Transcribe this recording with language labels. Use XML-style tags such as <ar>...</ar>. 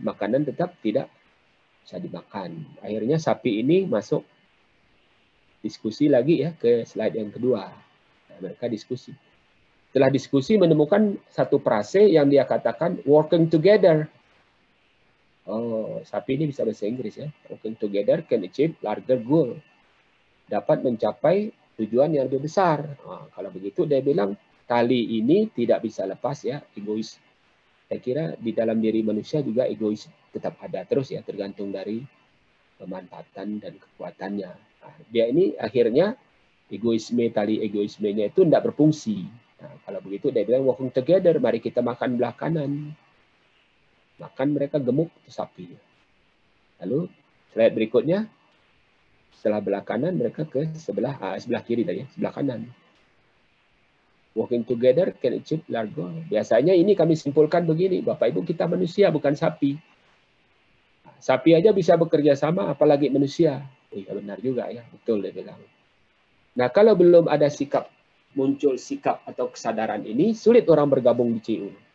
<id>Makanan tetap tidak bisa dimakan. Akhirnya sapi ini masuk diskusi lagi ya ke slide yang kedua. Nah, mereka diskusi. Setelah diskusi menemukan satu frase yang dia katakan</id> <en>working together.</en> <id>Oh, sapi ini bisa bahasa Inggris ya.</id> <en>Working together can achieve larger goal.</en> <id>Dapat mencapai tujuan yang lebih besar. Oh, kalau begitu dia bilang tali ini tidak bisa lepas ya, egois. Saya kira di dalam diri manusia juga egois tetap ada terus ya, tergantung dari pemanfaatan dan kekuatannya. Nah, dia ini akhirnya egoisme, tali egoismenya itu tidak berfungsi. Nah, kalau begitu dia bilang</id> <en>working together,</en> <id>mari kita makan belah kanan. Makan mereka gemuk itu sapi. Lalu slide berikutnya, setelah belah kanan mereka ke sebelah kiri tadi, sebelah kanan.</id> <en>Working together can achieve large goal.</en> <id>Biasanya ini kami simpulkan begini, Bapak Ibu, kita manusia bukan sapi. Sapi aja bisa bekerja sama, apalagi manusia. Iya benar juga ya, betul dia bilang. Nah, kalau belum ada sikap, muncul sikap atau kesadaran ini, sulit orang bergabung di CU.</id>